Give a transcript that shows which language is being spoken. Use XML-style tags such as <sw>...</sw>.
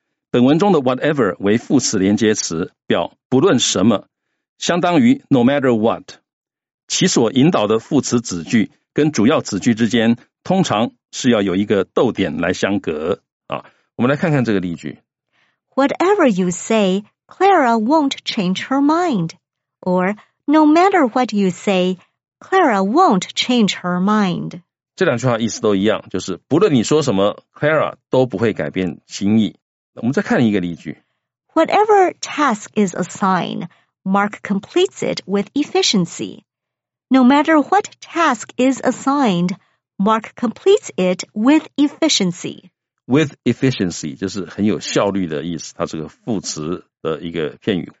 <zh>本文中的 whatever 为副词连接词表不论什么相当于 no matter what。其所引导的副词子句跟主要子句之间通常是要有一个逗点来相隔。啊、我们来看看这个例句。</zh> <en>Whatever you say, Clara won't change her mind. Or, no matter what you say, Clara won't change her mind.</en> <zh>这两句话意思都一样就是不论你说什么 Clara 都不会改变心意。我们再看一个例句。</zh> <en>Whatever task is assigned, Mark completes it with efficiency. No matter what task is assigned, Mark completes it with efficiency. With efficiency,</en> <zh>就是很有效率的意思它是个副词的一个片语。</zh>